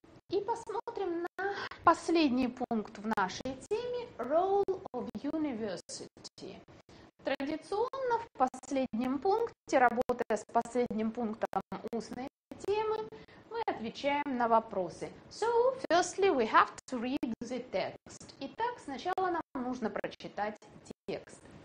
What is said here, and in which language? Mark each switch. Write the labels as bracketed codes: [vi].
[ru] И посмотрим на последний пункт в нашей теме – [en] role of university. [ru] Традиционно в последнем пункте, работая с последним пунктом устной темы, мы отвечаем на вопросы. [en] So, firstly, we have to read the text. [ru] Итак, сначала нам нужно прочитать текст.